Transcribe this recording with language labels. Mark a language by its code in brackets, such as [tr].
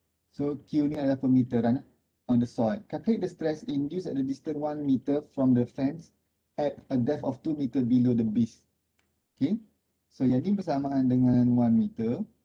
[ms] So Q ni adalah permeteran [en] on the soil. Calculate the stress induced at the distance 1 meter from the fence at a depth of 2 meter below the base. Okay. [ms] So yang ini bersamaan dengan 1 meter.